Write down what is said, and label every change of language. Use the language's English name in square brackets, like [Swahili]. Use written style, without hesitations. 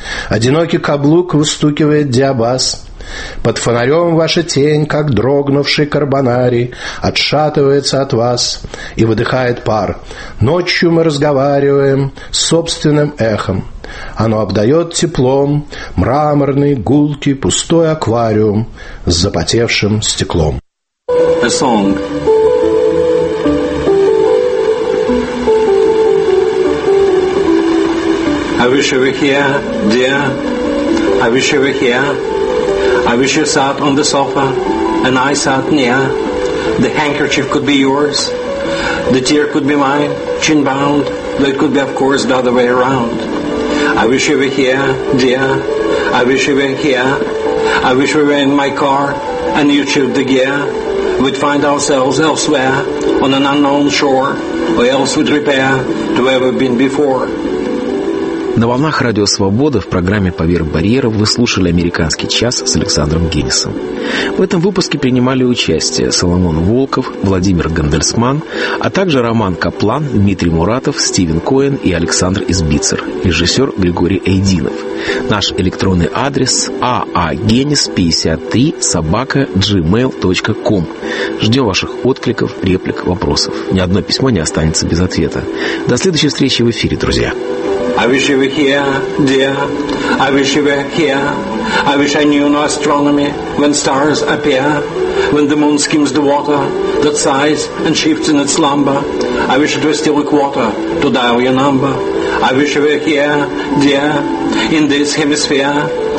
[Russian] Одинокий каблук выстукивает диабаз. Под фонарем ваша тень, как дрогнувший карбонарий, отшатывается от вас и выдыхает пар. Ночью мы разговариваем с собственным эхом. Оно обдает теплом мраморный гулкий пустой аквариум с запотевшим стеклом». [English] A song. I wish you were here, dear. I wish you were here. I wish you sat on the sofa and I sat near. The handkerchief could be yours. The tear could be mine, chin bound. Though it could be, of course, the other way around. I wish you were here, dear. I wish you were here. I wish we were in my car. and YouTube de Gea, we'd find ourselves elsewhere on an unknown shore, or else we'd repair to where we've been before. [Russian] На волнах Радио Свобода в программе «Поверх барьеров» вы слушали «Американский час» с Александром Гиннесом. В этом выпуске принимали участие Соломон Волков, Владимир Гандельсман, а также Роман Каплан, Дмитрий Муратов, Стивен Коэн и Александр Избицер, режиссер Григорий Эйдинов. Наш электронный адрес – aagenis53@gmail.com. Ждем ваших откликов, реплик, вопросов. Ни одно письмо не останется без ответа. До следующей встречи в эфире, друзья. [English] I wish you were here, dear. I wish you were here. I wish I knew no astronomy when stars appear, when the moon skims the water that sighs and shifts in its slumber. I wish it were still a quarter to dial your number. I wish you were here, dear, in this hemisphere.